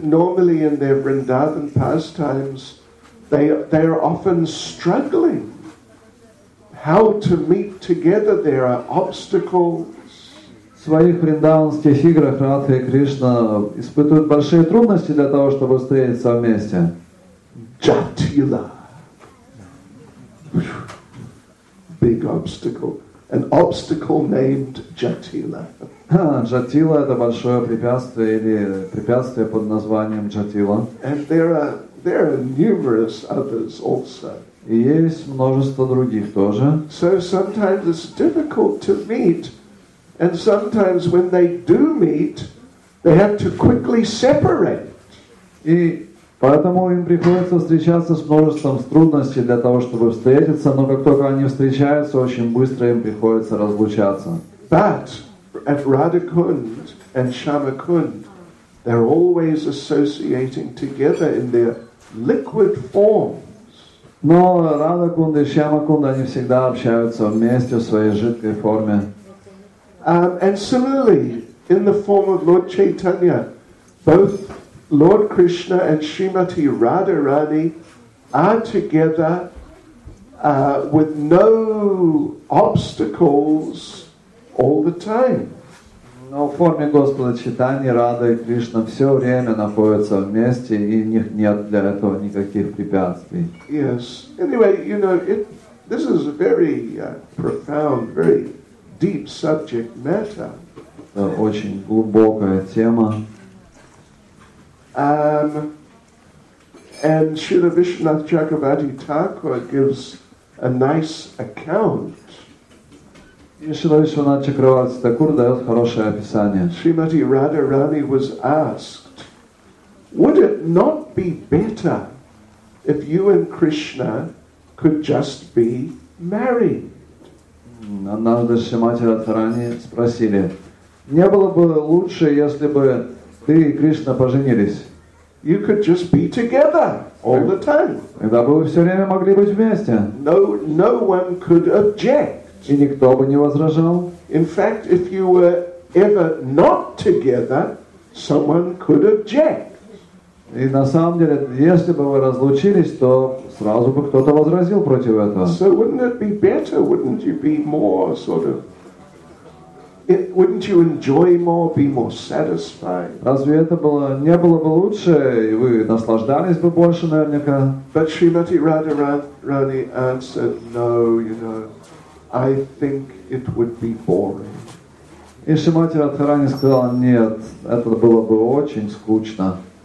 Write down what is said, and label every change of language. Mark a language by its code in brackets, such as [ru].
[en] Normally in their Vrindavan pastimes, they are often struggling. How to meet together? There are obstacles. [ru] В своих вриндаванских играх Радха и Кришна испытывают большие трудности для того, чтобы встретиться вместе. [en] Jatila. Big obstacle. An obstacle named Jatila. [ru] Jatila — это большое препятствие или препятствие под названием Jatila. [en] And there are numerous others also. [ru] И есть множество других тоже. [en] So sometimes it's difficult to meet. And sometimes when they do meet, they have to quickly separate. [ru] И поэтому им приходится встречаться с множеством трудностей для того, чтобы встретиться, но как только они встречаются, очень быстро им приходится разлучаться. [en] But at Radhakund and Shyamakund, they're always associating together in their liquid forms. [ru] Но Радхакунд и Шьямакунд, они всегда общаются вместе в своей жидкой форме. [en] And similarly, in the form of Lord Chaitanya, both Lord Krishna and Srimati Radharani are together with no obstacles all the time. [ru] Но в форме Господа Чайтаньи Рада и Кришна все время находятся вместе, и у них нет для этого никаких препятствий. [en] Yes. Anyway, you know, this is a very profound, very deep subject matter. [ru] Это очень глубокая тема. [en] And Srila Vishwanath Chakravarti Thakur gives a nice account. [ru] Srila Vishwanath Chakravarti Thakur дает хорошее описание. [en] Srimati Radharani was asked, would it not be better if you and Krishna could just be married? [ru] Однажды Шримати Радхарани спросили, не было бы лучше, если бы ты и Кришна поженились? [en] You could just be together all the time. [ru] Тогда бы вы все время могли быть вместе. [en] No one could object. [ru] И никто бы не возражал. [en] In fact, if you were ever not together, someone could object. [ru] И на самом деле, если бы вы разлучились, то сразу бы кто-то возразил против этого. [en] So wouldn't it be better? Wouldn't you be more sort of? Wouldn't you enjoy more? Be more satisfied? [ru] Разве это было не было бы лучше, и вы наслаждались бы больше, наверняка? [en] But Srimati Radharani answered, "No, you know, I think it would be boring." [ru] И Шримати Радхарани сказала, нет, это было бы очень скучно.